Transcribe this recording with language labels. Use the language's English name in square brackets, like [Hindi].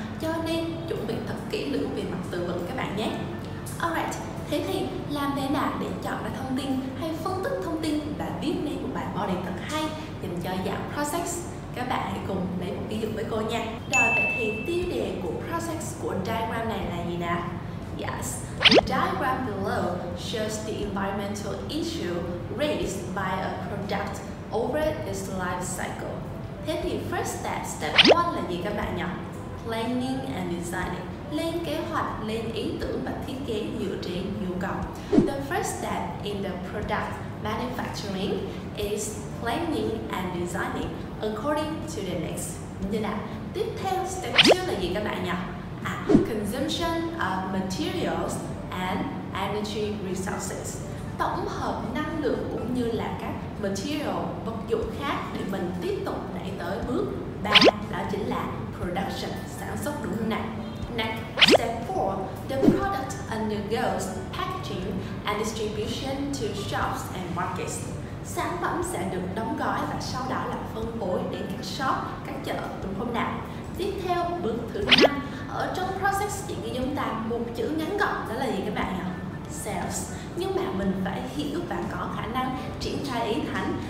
[Vietnamese] Cho nên chuẩn bị thật kỹ lưỡng về mặt từ vựng các bạn nhé. Alright, thế thì làm thế nào để chọn ra thông tin hay phân tích thông tin và viết nên một bài body thật hay dành cho dạng process? Các bạn hãy cùng lấy một ví dụ với cô nha. Rồi, vậy thì tiêu đề của process của diagram này là gì nào? [English] Yes, the diagram below shows the environmental issue raised by a product over its life cycle. [Vietnamese] Thế thì [English] first step, step 1 [Vietnamese] là gì các bạn nhỉ? [English] Planning and designing. [Vietnamese] Lên kế hoạch, lên ý tưởng và thiết kế dựa trên nhu cầu. [English] The first step in the product manufacturing is planning and designing according to the next. [Vietnamese] Như nào? Tiếp theo, step 2 là gì các bạn nhỉ? À, [English] consumption of materials and energy resources. [Vietnamese] Tổng hợp năng lượng cũng như là các material, vật dụng khác để mình tiếp tục đẩy tới bước 3, đó chính là production, sản xuất, đúng không nào? [English] Next, step 4, the product undergoes packaging and distribution to shops and markets. [Vietnamese] Sản phẩm sẽ được đóng gói và sau đó là phân phối đến các shop, các chợ, đúng không nào? Tiếp theo, bước thứ 5, ở trong process chỉ ghi chúng ta một chữ ngắn gọn, đó là gì các bạn ạ? Sales. Nhưng mà mình phải hiểu và có khả năng triển khai ý thẳng.